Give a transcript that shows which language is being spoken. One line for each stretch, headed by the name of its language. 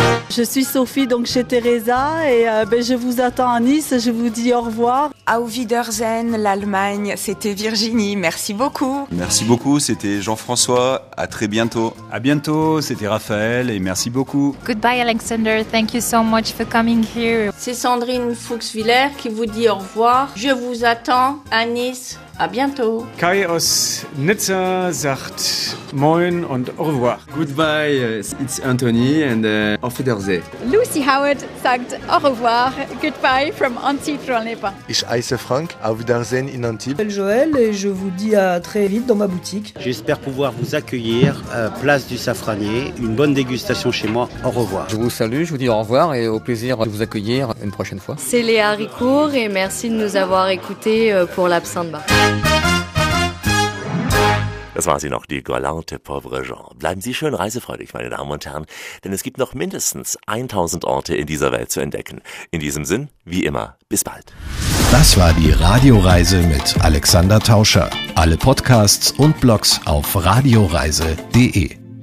French: Je suis Sophie, donc chez Teresa, et je vous attends à Nice, je vous dis au revoir.
German: Auf Wiedersehen,
French: l'Allemagne, c'était Virginie, merci beaucoup. Merci beaucoup, c'était Jean-François, à très bientôt. À bientôt, c'était Raphaël, et merci beaucoup.
English: Goodbye Alexander, thank you so much for coming here.
French: C'est Sandrine Fuchs-Willer qui vous dit au revoir, je vous attends à Nice, à bientôt.
German: Kai aus Nizza sagt moin und
French: au revoir.
English: Goodbye, it's Anthony, and
German: auf Wiedersehen.
English: Lucy Howard
German: sagt
French: au revoir,
English: goodbye from Antibes, from Les-Bains.
German: Ich heiße Frank, auf Wiedersehen in Antibes.
French: Je m'appelle Joël et je vous dis à très vite dans ma boutique. J'espère pouvoir vous accueillir, place du Safranier, une bonne dégustation chez moi, au revoir. Je vous salue, je vous dis au revoir et au plaisir de vous accueillir une prochaine fois. C'est Léa Ricourt et merci de nous avoir écoutés pour l'absinthe bar.
German: Das war sie noch, die galante pauvre Jean. Bleiben Sie schön reisefreudig, meine Damen und Herren, denn es gibt noch mindestens 1000 Orte in dieser Welt zu entdecken. In diesem Sinn, wie immer, bis bald. Das war die Radioreise mit Alexander Tauscher. Alle Podcasts und Blogs auf radioreise.de.